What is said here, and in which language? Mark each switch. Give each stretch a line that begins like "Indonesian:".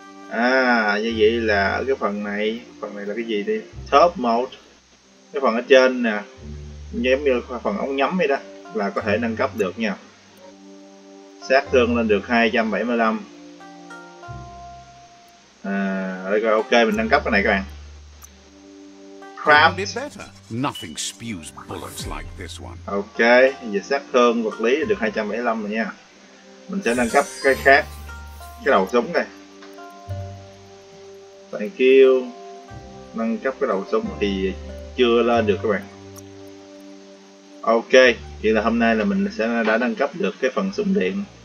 Vietnamese: À, như vậy là ở cái phần này là cái gì đi? Top mode. Cái phần ở trên nè. Giống như phần ống nhắm vậy đó là có thể nâng cấp được nha. Sát thương lên được 275. Ok, mình nâng cấp cái này các bạn.
English: Craft. Nothing spews bullets like this one.
Vietnamese: Ok, giờ sát thương vật lý được 275 rồi nha. Mình sẽ nâng cấp cái khác. Cái đầu súng này.
English: Thank you.
Vietnamese: Nâng cấp cái đầu súng thì chưa lên được các bạn. Ok, vậy là hôm nay là mình sẽ đã nâng cấp được cái phần súng điện.